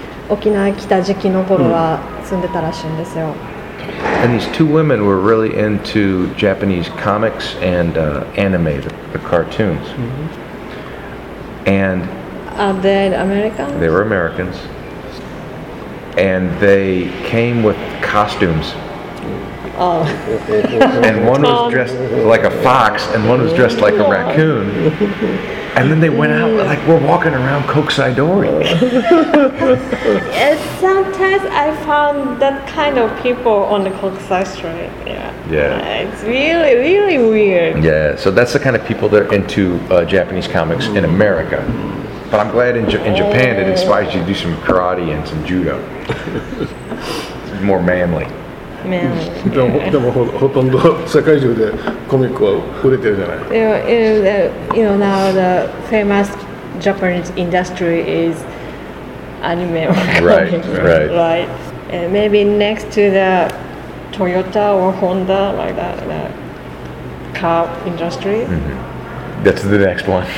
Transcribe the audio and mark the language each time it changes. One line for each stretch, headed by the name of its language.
Japanese: 沖縄に来た時期の頃は住んでたらしいんですよ。
English: And these two women were really into Japanese comics and anime, the cartoons. And are they Americans? They were Americans. And they came with costumes. Oh. And one was dressed like a fox and one was dressed like a raccoon. And then they went out, like, we're walking around Kokusaidori. Sometimes I found that kind of people on the Kokusai Street, yeah. Yeah. It's really, really weird. Yeah, so that's the kind of people that are into Japanese comics in America. But I'm glad in Japan it inspires you to do some karate and some judo. It's more manly.
Japanese: でも、でもほとんど世界中でコミックは売れてるじゃない。
English: You know, you know, now the famous Japanese industry is anime. Right. And maybe next to the Toyota or Honda, like that, the car industry. That's the next one.